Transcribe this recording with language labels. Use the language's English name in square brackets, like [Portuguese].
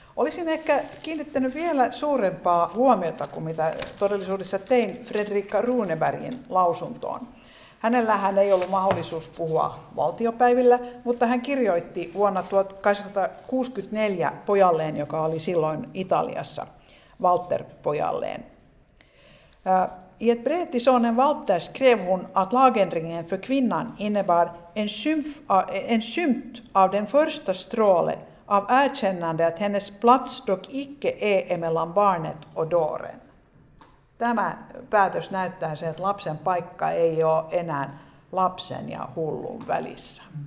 [Finnish] Olisin ehkä kiinnittänyt vielä suurempaa huomiota kuin mitä todellisuudessa tein Fredrika Runebergin lausuntoon. Hänellähän ei ollut mahdollisuus puhua valtiopäivillä, mutta hän kirjoitti vuonna 1864 pojalleen, joka oli silloin Italiassa, Walter-pojalleen. [Swedish] I ett brev till sonen Walter skrev hon att lagändringen för kvinnan innebar en skymt av den första stråle av erkännande att hennes plats dock icke är emellan barnet och dåren. [Finnish] Tämä päätös näyttää sen, että lapsen paikka ei ole enää lapsen ja hullun välissä.